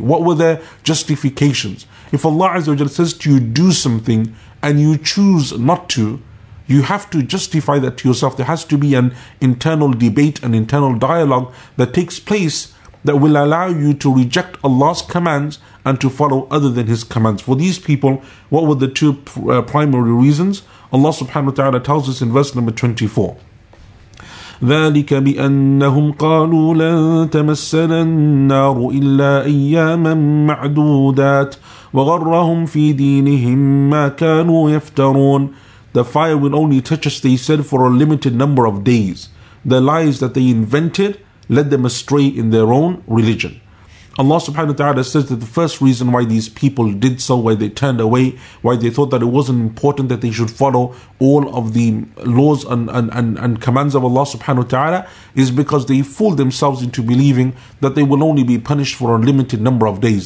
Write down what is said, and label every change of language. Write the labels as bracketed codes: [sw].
[en] What were their justifications? If Allah Azza wa Jalla says to you, do something, and you choose not to, you have to justify that to yourself. There has to be an internal debate, an internal dialogue that takes place that will allow you to reject Allah's commands and to follow other than His commands. For these people, what were the two primary reasons? Allah subhanahu wa ta'ala tells us in verse number 24. [ar] ذلك بأنهم قالوا لن تمسنا النار إلا أياما معدودات وغرهم في دينهم ما كانوا يفترون [en] The fire will only touch us, they said, for a limited number of days. The lies that they invented led them astray in their own religion. Allah subhanahu wa ta'ala says that the first reason why these people did so, why they turned away, why they thought that it wasn't important that they should follow all of the laws and commands of Allah subhanahu wa ta'ala is because they fooled themselves into believing that they will only be punished for a limited number of days.